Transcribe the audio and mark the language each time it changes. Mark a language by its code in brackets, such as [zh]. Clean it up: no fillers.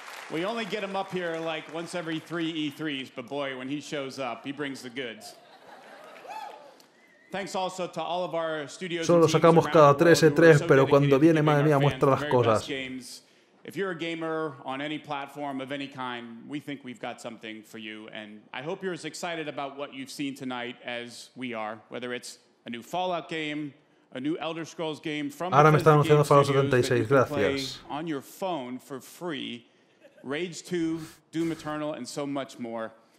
[en] We only get him up here like once every three E3s, but boy, when he shows up, he brings the goods. Thanks also to all of our studios. [es] Solo sacamos cada 3 E3, pero cuando viene, madre mía, muestra las cosas. [en] If you're a gamer on any platform of any kind, we think we've got something for you, and I hope you're as excited about what you've seen tonight as we are, whether it's a new Fallout game, a new Elder Scrolls game from [es] Ahora me están anunciando Fallout 76, gracias. [en] On your phone for free, Rage 2, Doom Eternal, and so much more.